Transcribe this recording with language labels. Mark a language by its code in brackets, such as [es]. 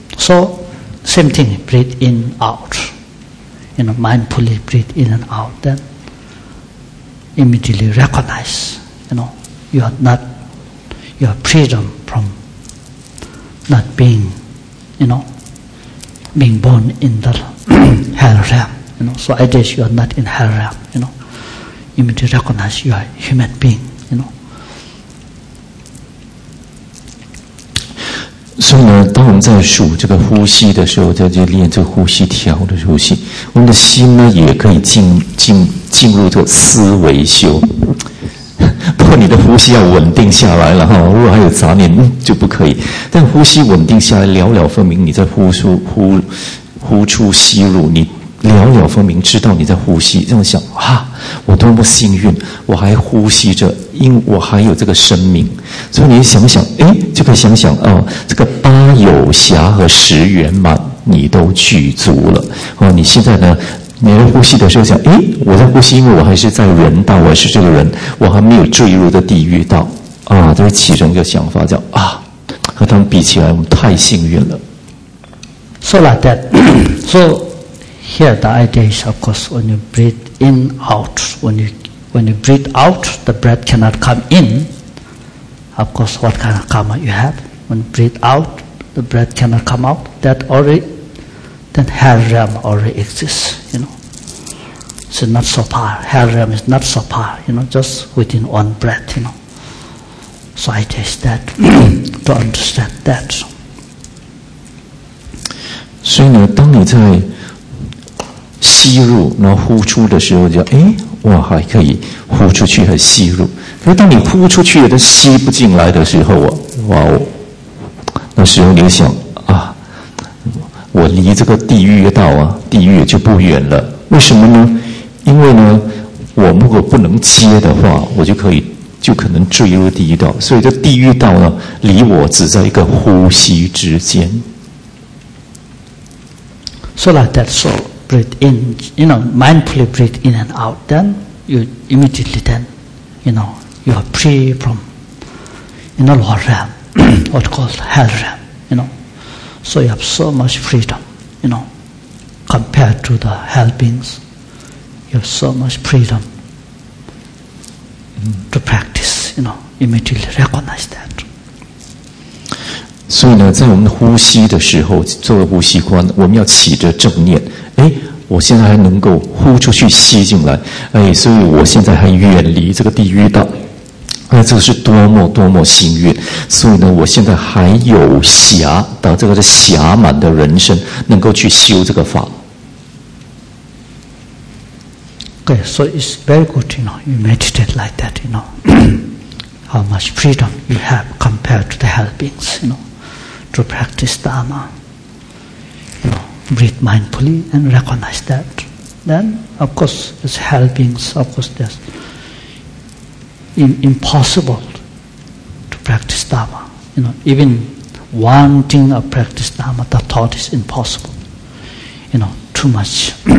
[en] So, same thing, breathe in, out, you know, mindfully breathe in and out, then immediately recognize, you know, you are not, you are freedom from. Not being, you know, being born in the hell realm, you know. So I guess you are not in hell realm, you know. You need to recognize you are human being, you know. [zh] 所以呢，当我们在数这个呼吸的时候，在这练这个呼吸调的呼吸，我们的心呢也可以进入这个思维修。不过你的呼吸要稳定下来了哈，如果还有杂念就不可以。但呼吸稳定下来，了了分明，你在呼出吸入，你了了分明知道你在呼吸，这样想啊，我多么幸运，我还呼吸着，因为我还有这个生命。所以你想想，哎，就可以想想啊、哦，这个八有暇和十圆满，你都具足了。哦，你现在呢，你在呼吸的时候想，诶，我在呼吸，因为我还是在人道，我是这个人，我还没有坠入的地狱道啊，就会起这个想法，叫啊，和他们比起来，我们太幸运了。 [en] So like that. So here the idea is, of course, when you breathe in, out, when you breathe out, the breath cannot come in. Of course, what kind of karma you have? When you breathe out, the breath cannot come out. That already, then hell realm already exists. You know, so not so far. Hell realm is not so far. You know, just within one breath. You know. So I just that to understand that. [zh] 所以呢，当你在吸入然后呼出的时候，就哎，我还可以呼出去和吸入。可是当你呼出去都吸不进来的时候，哇哦，那时候你就想啊，我离这个地狱道啊，地狱就不远了。为什么呢？因为呢，我如果不能接的话，我就可以。就可能坠入地狱道，所以这地狱道呢，离我只在一个呼吸之间。 [en] So like that, so breathe in, you know, mindfully breathe in and out. Then you immediately, then, you know, you are free from, you know, lower realm, what called hell realm, you know. So you have so much freedom, you know, compared to the hell beings, you have so much freedom. To practice, you know, immediately recognize that. [zh] 所以呢，在我们呼吸的时候，做呼吸观，我们要起着正念。哎，我现在还能够呼出去，吸进来。哎，所以我现在还远离这个地狱道。哎，这是多么多么幸运！所以呢，我现在还有暇，到这个是暇满的人生，能够去修这个法。 [en] Okay, so it's very good, you know, you meditate like that, you know, how much freedom you have compared to the hell beings, you know, to practice Dharma, you know, breathe mindfully and recognize that. Then, of course, as hell beings, of course, there's impossible to practice Dharma, you know, even wanting to practice Dharma, the thought is impossible, you know, too much.